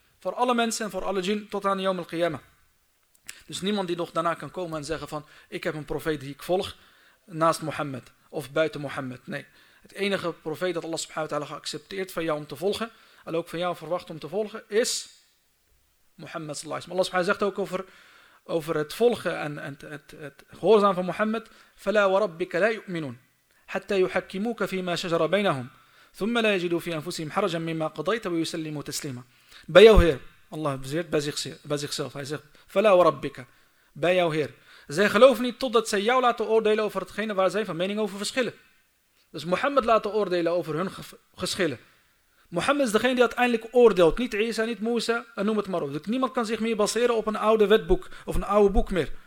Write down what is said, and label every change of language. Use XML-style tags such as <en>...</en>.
<nl>Voor alle mensen en voor alle jin tot aan Yawm al-Qiyama. Dus niemand die nog daarna kan komen en zeggen van: ik heb een profeet die ik volg naast Mohammed of buiten Mohammed. Nee, het enige profeet dat Allah subhanahu wa ta'ala geaccepteerd van jou om te volgen en ook van jou verwacht om te volgen is Mohammed sallallahu alaihi wasallam. Allah zegt ook over het volgen en het gehoorzaam van Mohammed:</nl> <ar>فَلَا وَرَبِّكَ لَا يُؤْمِنُونَ حَتَّى يُحَكِّمُوكَ فِي مَا شَجَرَ بَيْنَهُمْ ثُمَّ لَا يَجِدُوا فِي أَنفُسِهِمْ حَرَجًا مِمَّا قَضَيْتَ وَيُسَلِّمُوا تَسْلِيمًا.</ar> <nl>Bij jouw Heer, Allah bezeert bij zichzelf. Hij zegt:</nl> <ar>Fala wa rabbika,</ar> <nl>bij jouw Heer. Zij geloven niet totdat zij jou laten oordelen over hetgene waar zij van mening over verschillen. Dus Mohammed laten oordelen over hun geschillen. Mohammed is degene die uiteindelijk oordeelt. Niet Isa, niet Musa, en noem het maar op. Dus niemand kan zich meer baseren op een oude wetboek of een oude boek meer.</nl>